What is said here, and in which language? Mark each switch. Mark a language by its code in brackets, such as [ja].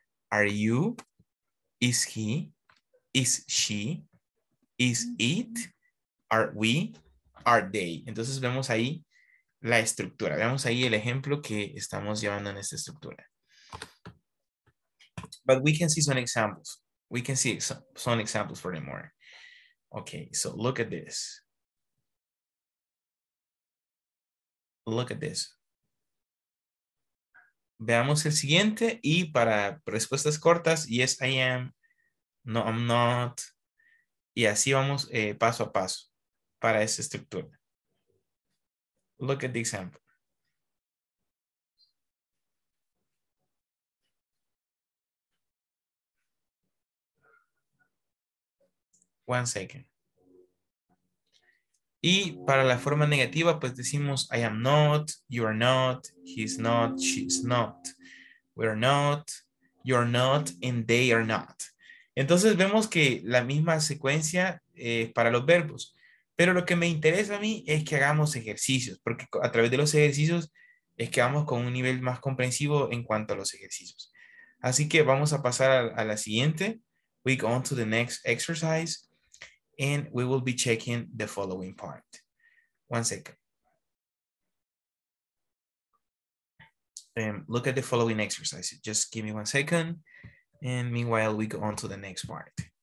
[en] Are you? Is he? Is she? Is it? Are we? Are they? [es] Entonces vemos ahí la estructura. Veamos ahí el ejemplo que estamos llevando en esta estructura. [en] But we can see some examples. We can see some examples for the more. Okay, so look at this. Look at this. [es] Veamos el siguiente y para respuestas cortas, [en] yes, I am. No, I'm not. [es] Y así vamos paso a paso para esta estructura. [en] Look at the example. One second. [es] Y para la forma negativa, pues decimos, [en] I am not, you are not, he's not, she's not, we're not, you're not, and they are not. [es] Entonces vemos que la misma secuencia para los verbos. Pero lo que me interesa a mí es que hagamos ejercicios, porque a través de los ejercicios es que vamos con un nivel más comprensivo en cuanto a los ejercicios. Así que vamos a pasar a la siguiente. [en] We go on to the next exercise and we will be checking the following part. One second. Look at the following exercise. Just give me one second. And meanwhile, we go on to the next part.